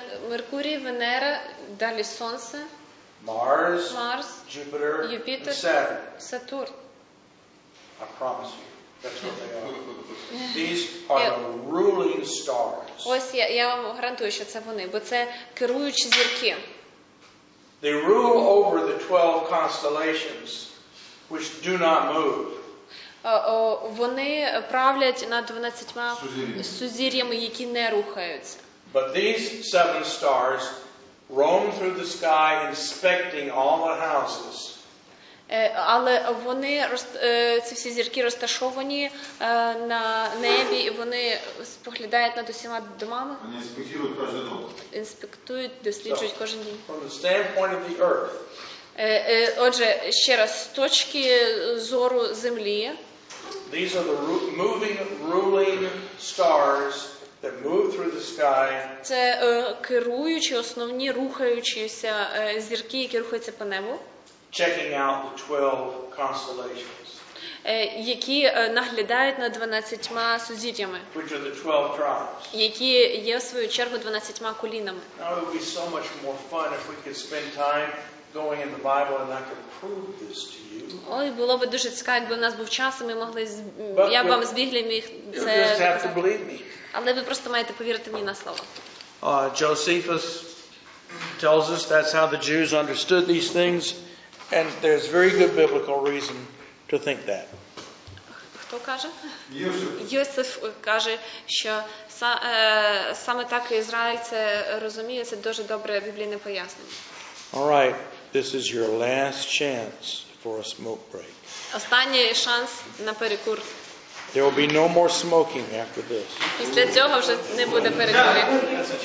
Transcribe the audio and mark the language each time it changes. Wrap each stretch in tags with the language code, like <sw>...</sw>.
<uk>Меркурій, Венера, далі Сонце.</uk> <en>Mars, Jupiter,</en> <uk>Юпітер,</uk> <en>and Saturn.</en> <uk>Сатурн.</uk> <en>I promise you, that's what they are. These are the ruling stars.</en> <uk>Ось я вам гарантую, що це вони, бо це керуючі зірки.</uk> <en>They rule over the 12 constellations, which do not move.</en> <uk>Вони правлять над 12 сузір'ями, які не рухаються.</uk> <en>But these seven stars roam through the sky inspecting all the houses.</en> <uk>Але вони ці всі зірки розташовані на небі, і вони споглядають над усіма домами. Вони інспектують кожен дім. Інспектують, досліджують кожен дім.</uk> <en>From the standpoint of the earth.</en> <uk>Отже, ще раз, з точки зору землі.</uk> <en>These are the moving, ruling stars that move through the sky.</en> <uk>Це керуючі, основні, рухаючіся зірки, які рухаються по небу.</uk> <en>Checking out the 12 constellations.</en> <uk>Які наглядають над 12 сузір'ями.</uk> <en>Which are the 12 tribes.</en> <uk>Які є в свою чергу 12 колінами.</uk> <en>Now it would be so much more fun if we could spend time going in the Bible and I could prove this to you.</en> <uk>Ой, було б дуже цікаво, якби у нас був час, і ми могли я б вам збігли міг це. Але ви просто маєте повірити мені на слово.</uk> <en>Josephus tells us that's how the Jews understood these things, and there's very good biblical reason to think that.</en> <uk>Хто каже? Йосиф каже, що саме так ізраїльці розуміють, це дуже добре біблійне пояснення.</uk> <en>All right. This is your last chance for a smoke break.</en> <uk>Останній шанс на перекур.</uk> <en>There will be no more smoking after this.</en> <uk>Після цього вже не буде перекурів.</uk>